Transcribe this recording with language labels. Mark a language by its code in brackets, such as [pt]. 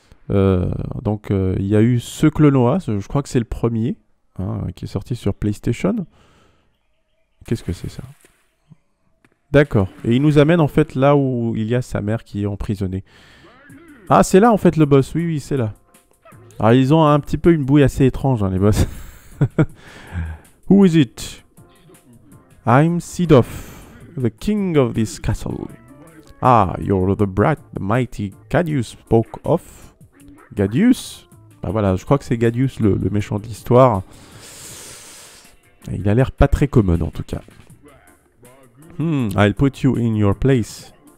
[fr] Il y a eu ce Clonoa. Je crois que c'est le premier hein, qui est sorti sur PlayStation. Qu'est-ce que c'est ça? D'accord. Et il nous amène en fait là où il y a sa mère qui est emprisonnée. Ah, c'est là en fait le boss. Oui, oui, c'est là. Alors ils ont un petit peu une bouille assez étrange, hein, les boss. [en] Who is it? I'm Sidoff, the king of this castle. Ah, you're the brat, the mighty Gadius spoke of. Gadius? [fr] Bah voilà, je crois que c'est Gadius le méchant de l'histoire. Il a l'air pas très commun, en tout cas. [en] I'll put you in your place.